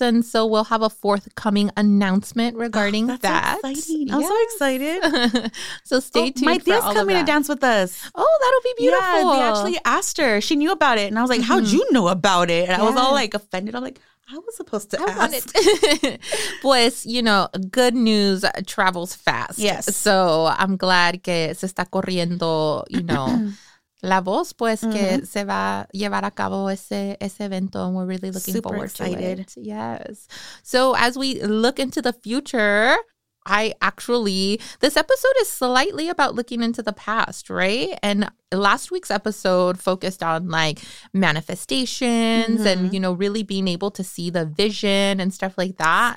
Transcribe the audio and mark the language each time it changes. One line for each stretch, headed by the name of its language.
English: And so we'll have a forthcoming announcement regarding that. Yes. I'm so excited. So stay tuned. My tia's coming to dance with us. Oh, that'll be beautiful. Yeah, they actually asked her. She knew about it. And I was like, how'd you know about it? And I was all offended. I'm like, I was supposed to ask. Pues, you know, good news travels fast. Yes. So I'm glad
Spanish: que se está corriendo,
English: you know,
Spanish: la voz, pues, que se va a llevar a cabo ese evento.
English: And we're really looking forward to it. Yes. So as we look into the future, this episode is slightly about looking into the past, right? And last week's episode focused on manifestations and, you know, really being able to see the vision and stuff like that.